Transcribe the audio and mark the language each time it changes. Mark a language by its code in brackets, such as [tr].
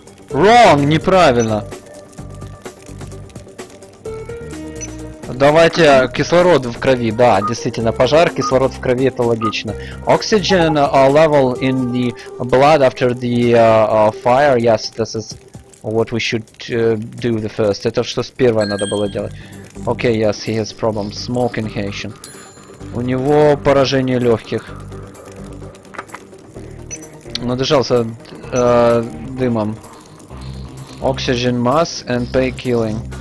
[en] Wrong, [ru] неправильно. Давайте кислород в крови. Да, действительно, пожар, кислород в крови, это логично. [en] Oxygen level in the blood after the fire. Yes, this is what we should do the first. [ru] Это что с первой надо было делать. [en] Okay, yes, he has problems. Smoke inhalation. [ru] У него поражение легких. Надышался дымом. [en] Oxygen mask and pain killing.